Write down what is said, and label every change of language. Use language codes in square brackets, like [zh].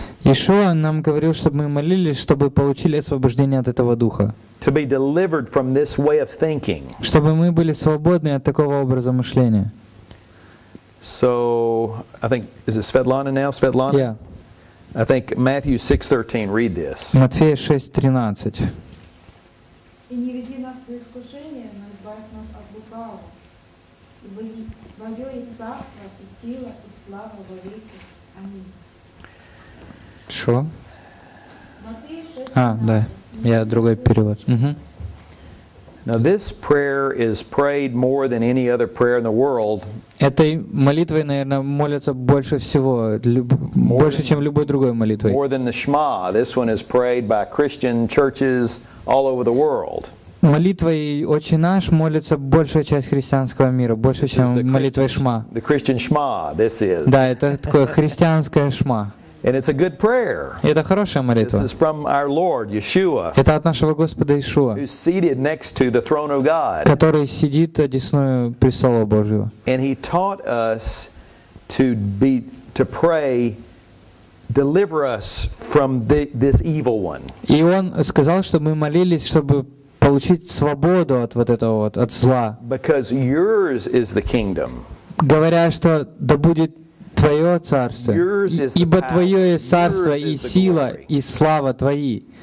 [ru] Иешуа нам говорил, чтобы мы молились, чтобы получили освобождение от этого духа. [en] To be delivered from this way of thinking. [ru] Чтобы мы были свободны от такого образа мышления. [en] So, I think, is it Svetlana now? Svetlana? Yeah. I think Matthew 6:13, read this. [ru] Матфея 6:13. И не веди нас в искушение, но избавь нас от лукавого. Ибо твое есть царство, и сила, и слава во веки. Аминь. Что? А, да. Я другой перевод. [en] Now this prayer is prayed more than any other prayer in the world. [ru] Этой молитвой, наверное, молятся больше всего, больше, чем любой другой молитвой. [en] More than the Shema. This one is prayed by Christian churches all over the world. [ru] Молитвой «Отче наш» молится большая часть христианского мира, больше, чем молитвой Шма. [en] The Christian Shema. This is. [ru] Да, это такое христианское Шма. [en] And it's a good prayer. [ru] Это хорошая молитва. [en] This is from our Lord Yeshua. [ru] Это от нашего Господа Иешуа. [en] Who's seated next to the throne of God. [ru] Который сидит одесную престола Божьего. [en] And he taught us to pray, deliver us from this evil one. [ru] И он сказал, что мы молились, чтобы получить свободу от вот этого вот от зла. [en] Because yours is the kingdom. [ru] Говоря, что да будет Твое царство, ибо Твое есть царство, и сила, и слава Твои.